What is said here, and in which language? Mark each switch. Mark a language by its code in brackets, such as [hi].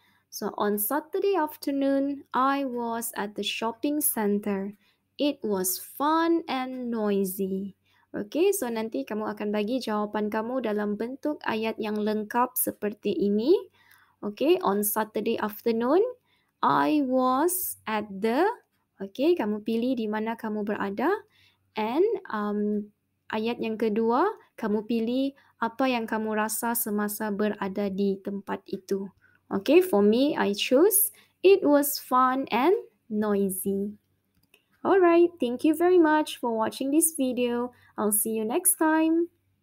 [en] So on Saturday afternoon, I was at the shopping center. It was fun and noisy. [ms] Okay, so nanti kamu akan bagi jawapan kamu dalam bentuk ayat yang lengkap seperti ini. [en] Okay, on Saturday afternoon, I was at the... [ms] Okay, kamu pilih di mana kamu berada. And ayat yang kedua, kamu pilih apa yang kamu rasa semasa berada di tempat itu. [en] Okay, for me, I choose it was fun and noisy. Alright, thank you very much for watching this video. I'll see you next time.